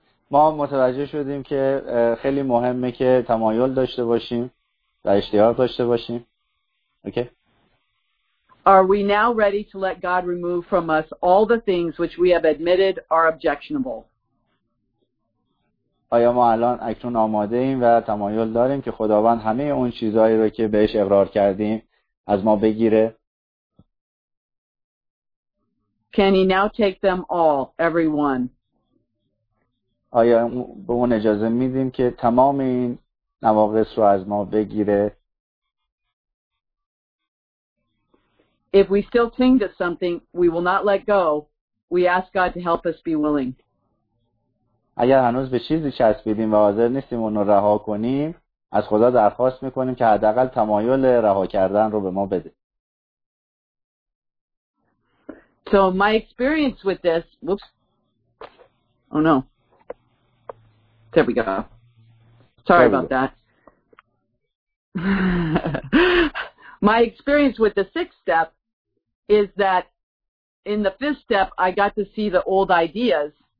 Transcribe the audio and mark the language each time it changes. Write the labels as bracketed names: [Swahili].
[Persian] ما متوجه شدیم که خیلی مهمه که تمایل داشته باشیم و اشتیاق داشته باشیم. [English] Okay? Are we now ready to let God remove from us all the things which we have admitted are objectionable? [Persian] آیا ما الان اکنون آماده ایم و تمایل داریم که خداوند همه اون چیزهایی رو که بهش اقرار کردیم از ما بگیره؟ [English] Can he now take them all, every one? [Persian] آیا به اون اجازه میدیم که تمام این نواقص رو از ما بگیره؟ [English] If we still cling to something we will not let go, we ask God to help us be willing. [Persian] اگر هنوز به چیزی چسبیدیم و حاضر نیستیم اون رو رها کنیم، از خدا درخواست می‌کنیم که حداقل تمایل رها کردن رو به ما بده. [English] So my experience with this, whoops, oh no, there we go. Sorry about that. My experience with the sixth step is that in the fifth step, I got to see the old ideas.